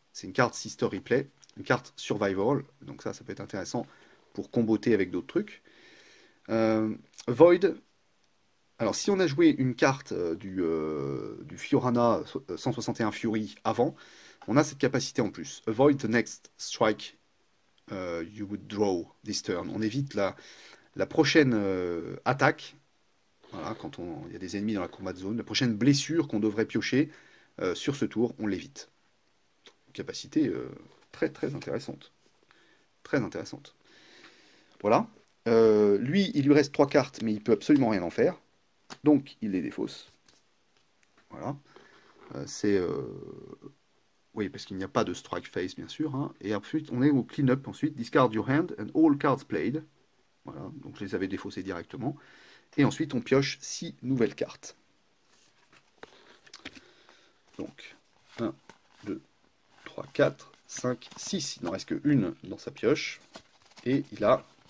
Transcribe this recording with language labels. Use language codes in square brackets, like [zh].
[fr] C'est une carte Sister Replay, une carte Survival, donc ça peut être intéressant pour comboter avec d'autres trucs. Void. Alors, si on a joué une carte du Fiorana 161 Fury avant, on a cette capacité en plus. [en] Avoid the next strike you would draw this turn. [fr] On évite la prochaine attaque, voilà, quand il y a des ennemis dans la combat zone, la prochaine blessure qu'on devrait piocher sur ce tour, on l'évite. Capacité très très intéressante. Très intéressante. Voilà. Lui, il lui reste 3 cartes, mais il peut absolument rien en faire. Donc, il les défausse. Voilà. Oui, parce qu'il n'y a pas de strike face, bien sûr. Hein. Et ensuite, on est au clean-up. [en] Ensuite, discard your hand and all cards played. [fr] Voilà. Donc, je les avais défaussés directement. Et ensuite, on pioche 6 nouvelles cartes. Donc, 1, 2, 3, 4, 5, 6. Il n'en reste qu'une dans sa pioche. Et il a.